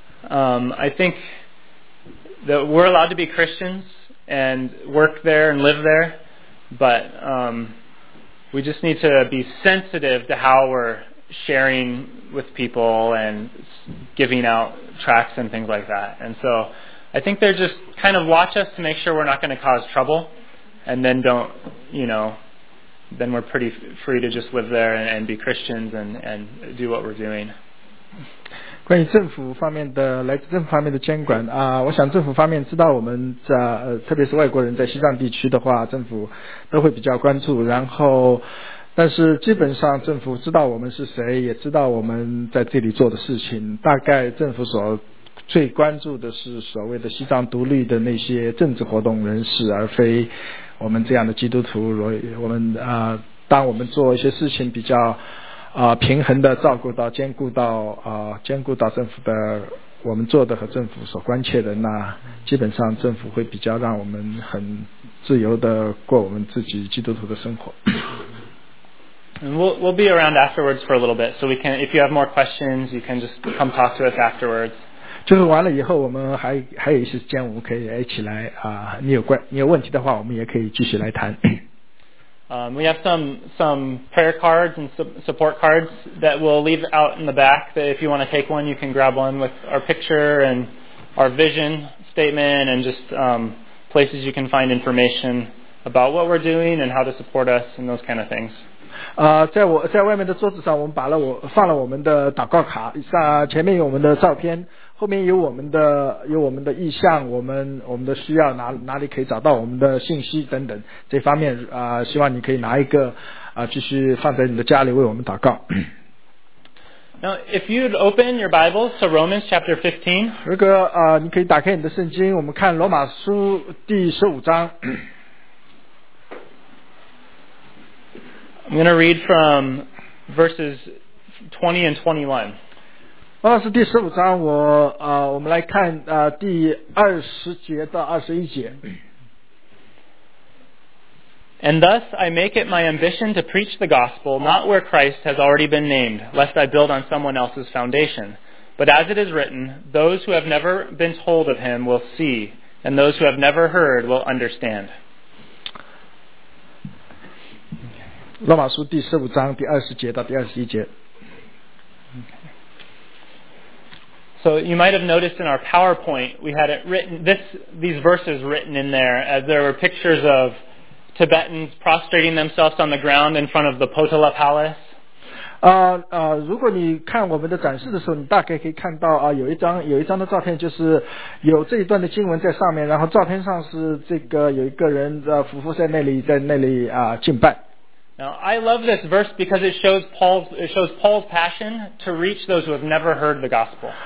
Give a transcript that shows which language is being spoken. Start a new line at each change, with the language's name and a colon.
English: I think that we're allowed to be Christians and work there and live there, but we just need to be sensitive to how we're sharing with people and giving out tracts and things like that. And so I think they're just kind of watch us to make sure we're not going to cause trouble, and then don't, you know, then we're pretty free to just live there and be Christians and do what we're doing.
Chinese: 关于政府方面的来自政府方面的监管啊，我想政府方面知道我们在特别是外国人在西藏地区的话，政府都会比较关注。然后，但是基本上政府知道我们是谁，也知道我们在这里做的事情。大概政府所最关注的是所谓的西藏独立的那些政治活动人士，而非我们这样的基督徒。我们啊，当我们做一些事情比较。平衡地照顾到兼顾到兼顾到政府的我们做的和政府所关切的，那基本上政府会比较让我们很自由地过我们自己基督徒的生活。
English: And we'll be around afterwards for a little bit, so we can, if you have more questions, you can just come talk to us afterwards.
Chinese: 就是完了以后我们还有一些间我们可以一起来你有问题的话我们也可以继续来谈。
English: We have some prayer cards and support cards that we'll leave out in the back. That if you want to take one, you can grab one with our picture and our vision statement and just places you can find information about what we're doing and how to support us and those kind of things.
Chinese: 在外面的桌子上，我们放了我们的祷告卡，上前面有我们的照片，后面有我们的意向，我们的需要，哪里可以找到我们的信息等等这方面希望你可以拿一个继续放在你的家里为我们祷告。
English: Now, if you'd open your Bibles to Romans chapter 15,
Chinese: 如果你可以打开你的圣经，我们看罗马书第十五章。
English: I'm going to read from verses 20 and 21.
Chinese: 罗马书第十五章，我们来看第二十节到二十一节。
English: And thus I make it my ambition to preach the gospel, not where Christ has already been named, lest I build on someone else's foundation. But as it is written, those who have never been told of him will see, and those who have never heard will understand.
Chinese: 罗马书第十五章第二十节到第二十一节。
English: So you might have noticed in our PowerPoint, we had it written, these verses written in there, as there were pictures of Tibetans prostrating themselves on the ground in front of the Potala Palace.
Chinese: 如果你看我们的展示的时候，你大概可以看到有一张的照片，就是有这一段的经文在上面，然后照片上是这个有一个人俯伏在那里敬拜。
English: Now, I love this verse because it shows Paul's passion to reach those who have never heard the gospel.